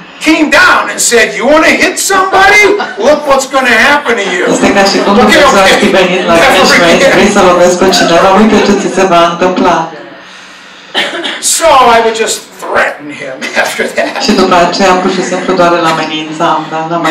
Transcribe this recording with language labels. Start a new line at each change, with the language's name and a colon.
English: Came down and said, "You want to hit somebody? Look what's going to happen to you."
Romanian: Este ca și cum ar fi venit la mine, vrei să lovesc pe cineva, uite ce ți se va întâmpla.
English: So I would just threaten him after that.
Romanian: Și după aceea, pur și simplu doar îl amenințam, dar n-am mai